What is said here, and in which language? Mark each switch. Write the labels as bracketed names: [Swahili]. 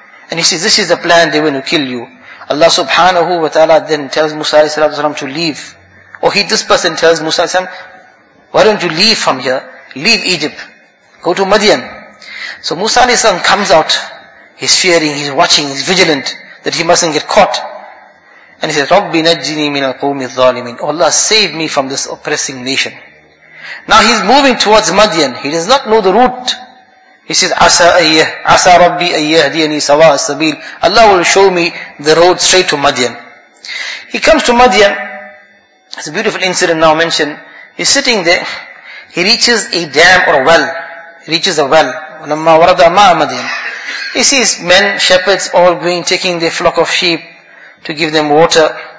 [English] And he says, this is the plan, they want to kill you. Allah subhanahu wa ta'ala then tells Musa alayhi salatu wasalam to leave. Or this person tells Musa alayhi salam, why don't you leave from here? Leave Egypt. Go to Madian. So Musa alayhi salam comes out. He's fearing, he's watching, he's vigilant, that he mustn't get caught. And he says, [Arabic] رَبِّ نَجِّنِي مِنَ الْقَوْمِ الظَّالِمِينَ. [English] Oh Allah, save me from this oppressing nation. Now he's moving towards Madian. He does not know the route. He says, [Arabic] عَسَى رَبِّ أَيَّهْدِيَنِي سَوَاءَ السَّبِيلِ. [English] Allah will show me the road straight to Madian. He comes to Madian. It's a beautiful incident now mentioned. He's sitting there. He reaches a dam or a well. He reaches a well. [Arabic] وَلَمَّا وَرَدَ مَا مَدْيَنِ. [English] He sees men, shepherds, all going, taking their flock of sheep. to give them water.